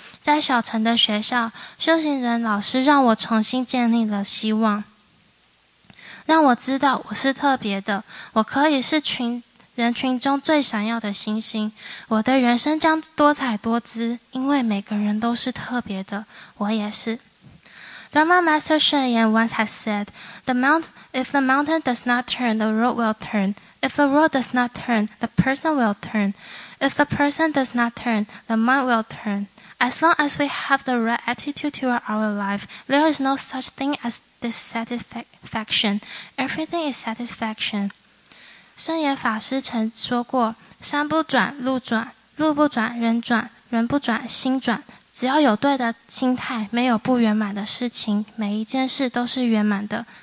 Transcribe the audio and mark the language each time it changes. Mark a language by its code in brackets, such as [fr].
[zh] 在小城的学校，修行人老师让我重新建立了希望，让我知道我是特别的，我可以是人群中最闪耀的星星，我的人生将多彩多姿，因为每个人都是特别的，我也是。 [en] Dharma Master Shen Yan once has said, if the mountain does not turn, the road will turn. If the road does not turn, the person will turn. If the person does not turn, the mind will turn. As long as we have the right attitude to our life, there is no such thing as dissatisfaction. Everything is satisfaction. [zh] 圣严法师曾说过，山不转路转，路不转人转，人不转心转。只要有对的心态，没有不圆满的事情，每一件事都是圆满的。